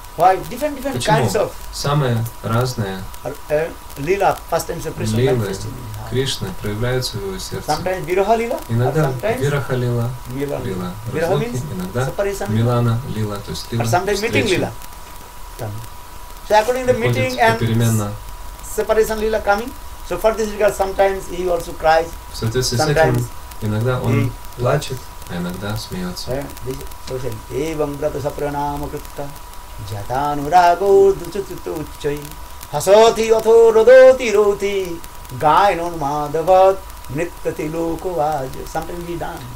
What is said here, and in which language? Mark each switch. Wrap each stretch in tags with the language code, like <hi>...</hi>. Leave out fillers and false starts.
<en>Why? Different</en> <ru>Почему?</ru> <en>Kinds of.</en> <ru>Самые разные.</ru> <en>Лила, pastimes of Krishna.</en> <ru>Лилы. Кришна проявляется в его сердце. Вирахалила, иногда вирахалила, лила, иногда милана, лила, то есть лила, встреча.</ru> <en>So according to meeting and separation lila coming, so for this regard sometimes he also cries.</en> <ru>В соответствии с этим, иногда он плачет, а иногда смеется.</ru> <en>So he says,</en> <sa>evam brata sapranama kritta jatanuragur duchututu uchchai hasati atho rodoti roti Гайнун Мадхават Нитти Луку Ваджа.</sa> <en>Sometimes he dances.</en>